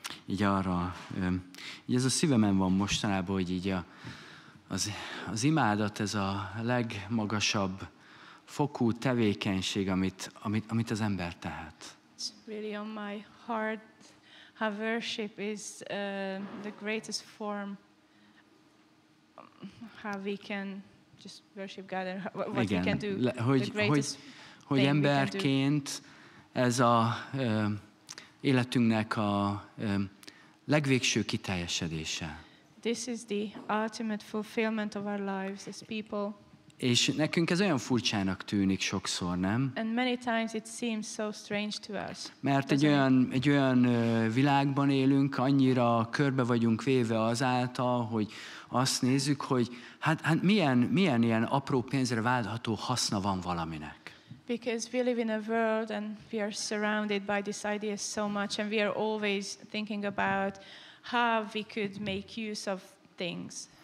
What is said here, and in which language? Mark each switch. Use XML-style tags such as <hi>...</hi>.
<hu>így arra, így ez a szívemen van mostanában, hogy így az imádat, ez a legmagasabb fokú tevékenység, amit az ember tehet.</hu> <en>It's really on my heart. How worship is the greatest form how we can just worship God and what</en> <hu>Igen.</hu> <en>we can do.</en> <hu>Hogy emberként ez a életünknek a legvégső kiteljesedése.</hu> <en>This is the ultimate fulfillment of our lives as people.</en> <hu>És nekünk ez olyan furcsának tűnik sokszor, nem?</hu> <en>And many times it seems so strange to us.</en> <hu>Mert egy olyan világban élünk, annyira körbe vagyunk véve azáltal, hogy azt nézzük, hogy hát milyen ilyen apró pénzre váltható haszna van valaminek.</hu> <en>Because we live in a world and we are surrounded by this idea so much and we are always thinking about how we could make use of things.</en>